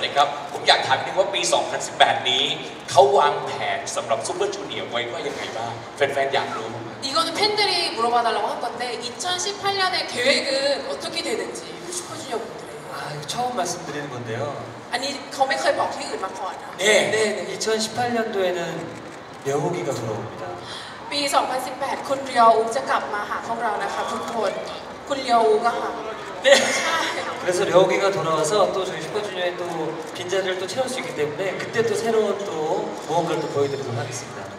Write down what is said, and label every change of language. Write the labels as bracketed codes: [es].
[th] โอเคหมดแล้วนะครับเรียบร้อยนิดนึงก่อนที่เราจะส่งซูเปอร์จูเนียร์เข้าไปในคอนเสิร์ตนะครับผมอยากถามนิดว่าปี 2018 นี้เขาวางแผนสำหรับซูเปอร์จูเนียร์ไว้ว่ายังไงบ้างแฟนๆอยากรู้อีกคนเป็นแฟนดารามากกว่า [ko] 2018년의 계획은 어떻게 되는지 슈퍼주니어분들의 아 처음 말씀드리는 건데요 아니 거메커의 버킷 음악 거아니 네네 2018년도에는 여우기가 돌아옵니다 [th] ปี 2018 คุณเรียวจะกลับมาหาพวกเรานะคะทุกคนคุณเรียวก็ใช่ดังนั้น [ko] เรียวกิ가 돌아와서 또 저희 슈퍼주니어에 또 빈자리를 또 채울 수 있기 때문에 그때 또 새로운 또 무언가를 또 보여드리도록 하겠습니다.